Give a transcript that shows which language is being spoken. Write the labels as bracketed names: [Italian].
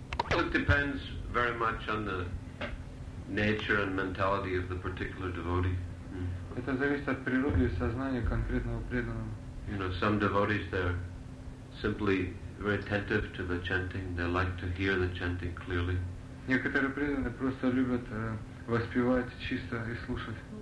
[English] Well, it depends very much on the nature and mentality of the particular devotee. [Russian] Это зависит от природы и сознания конкретного преданного. [English] You know, some devotees, they're simply very attentive to the chanting. They like to hear the chanting clearly. [Russian] Некоторые преданные просто любят воспевать чисто и слушать.